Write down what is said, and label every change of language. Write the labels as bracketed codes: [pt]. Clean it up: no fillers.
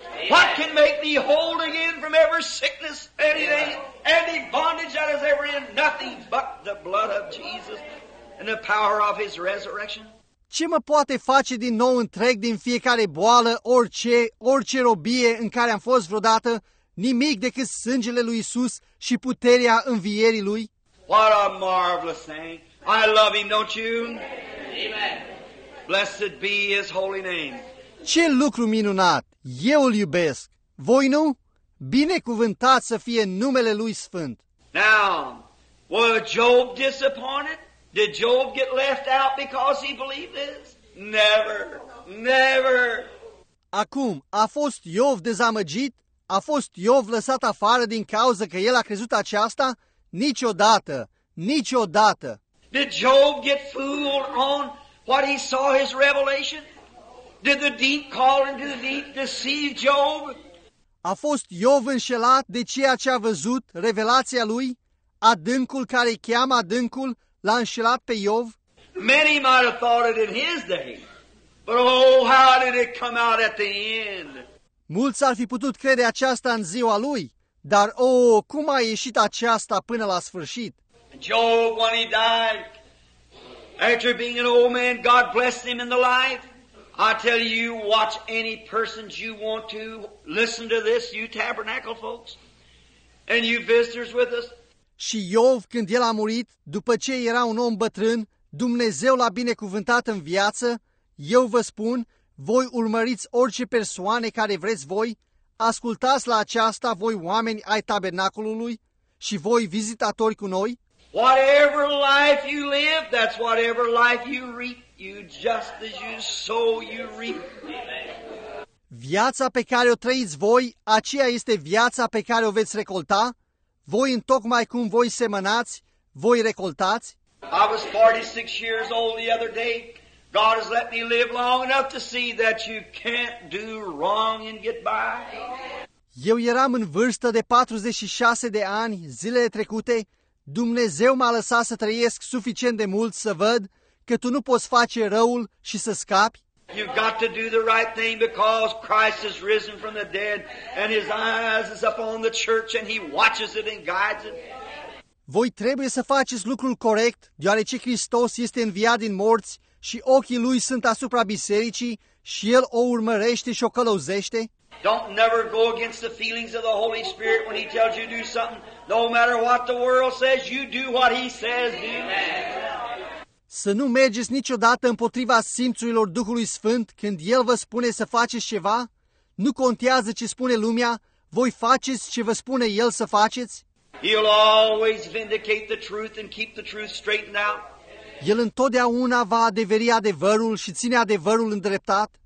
[en] What can make me whole again from every sickness, anything, any bondage that is ever in? Nothing but the blood of Jesus and the power of his resurrection. [ro] Ce mă poate face din nou întreg din fiecare boală, orice robie în care am fost vreodată? Nimic decât sângele lui Iisus și puterea învierii lui. [en] What a marvelous thing. I love him, don't you? Amen. Blessed be his holy name. [ro] Ce lucru minunat! Eu îl iubesc. Voi nu? Binecuvântat să fie numele lui sfânt. [en] Now, was Job disappointed? Did Job get left out because he believed this? Never. Never. [ro] Acum, a fost Iov dezamăgit? A fost Iov lăsat afară din cauza că el a crezut aceasta? Niciodată, niciodată. [en] Did Job get fooled on what he saw his revelation? Did the deep call into the deep deceive Job? [ro] A fost Iov înșelat de ceea ce a văzut, revelația lui? Adâncul care îi cheamă adâncul l-a înșelat pe Iov? [en] Many might have thought it in his day, but oh, how did it come out at the end? [ro] Mulți ar fi putut crede aceasta în ziua lui, dar, oh, cum a ieșit aceasta până la sfârșit? [en] Job, when he died, after being an old man, God blessed him in the life. I tell you, watch any persons you want to, listen to this, you tabernacle folks, and you visitors with us. [ro] Și Iov, când el a murit, după ce era un om bătrân, Dumnezeu l-a binecuvântat în viață, eu vă spun, voi urmăriți orice persoane care vreți voi, ascultați la aceasta voi oameni ai tabernacolului și voi vizitatori cu noi. [en] Whatever life you live, that's whatever life you reap. You just as you sow, you reap. [ro] Viața pe care o trăiți voi, aceea este viața pe care o veți recolta. Voi întocmai cum voi semănați, voi recoltați. [en] I was 46 years old the other day. God has let me live long enough to see that you can't do wrong and get by. [ro] Eu eram în vârstă de 46 de ani, zilele trecute, Dumnezeu m-a lăsat să trăiesc suficient de mult să văd că tu nu poți face răul și să scapi. [en] You've got to do the right thing because Christ has risen from the dead and his eyes is upon the church and he watches it and guides it. [ro] Voi trebuie să faceți lucrul corect, deoarece Hristos este înviat din morți și ochii lui sunt asupra bisericii și el o urmărește și o călăuzește. [en] Don't never go against the feelings of the Holy Spirit when he tells you to do something. No matter what the world says, you do what he says. Amen. [ro] Să nu mergeți niciodată împotriva simțurilor Duhului Sfânt când el vă spune să faceți ceva. Nu contează ce spune lumea, Voi faceți ce vă spune El să faceți? [en] He'll always vindicate the truth and keep the truth straightened out. El întotdeauna va adeveri adevărul și ține adevărul îndreptat.